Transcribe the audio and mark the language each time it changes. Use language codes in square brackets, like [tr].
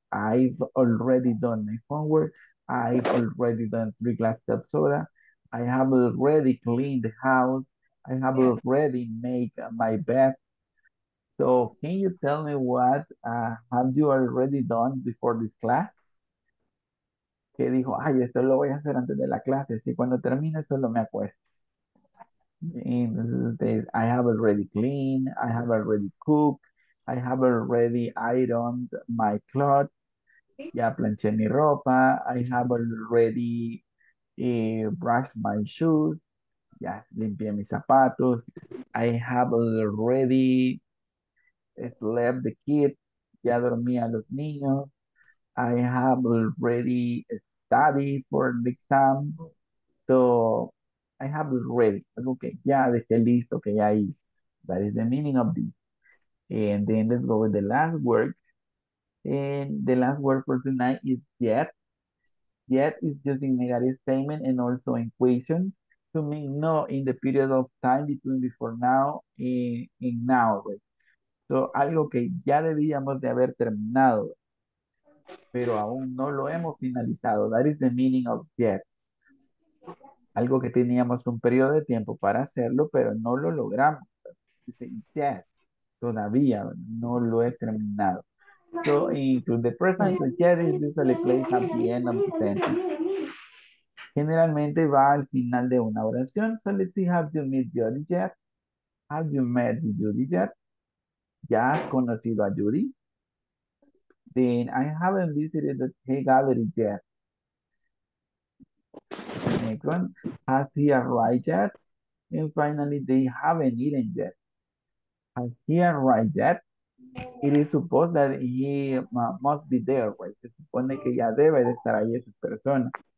[en] I've already done my homework. I've already done 3 glasses of soda. I have already cleaned the house. I have already made my bed. So can you tell me what have you already done before this class? [es] Que dijo, ay, esto lo voy a hacer antes de la clase. Así cuando termine, solo me acuesto. [en] And I have already cleaned, I have already cooked, I have already ironed my clothes, [es] ya planché mi ropa, [en] I have already brushed my shoes, [es] ya limpié mis zapatos, [en] I have already slept the kids, [es] ya dormí a los niños, [en] I have already studied for the exam, so I have ready. Okay, [es] ya dejé listo, que ya ahí. [en] That is the meaning of this. And then let's go with the last word. And the last word for tonight is yet. Yet is using negative statement and also in question to mean no in the period of time between before now and now. Right? [es] So algo que ya debíamos de haber terminado, pero aún no lo hemos finalizado. [en] That is the meaning of yet. [es] Algo que teníamos un periodo de tiempo para hacerlo, pero no lo logramos. Yet, todavía no lo he terminado. [en] So, into the present, yet is usually placed at the end of the sentence. [es] Generalmente va al final de una oración. [en] So, let's see, have you met Judy yet? Have you met Judy yet? [es] ¿Ya has conocido a Judy? [en] Then, I haven't visited the gallery yet. Next one, has he arrived yet? And finally, they haven't eaten yet. Has he arrived yet? It is supposed that he must be there, right? [es] Se supone que ya debe de estar ahí esa persona.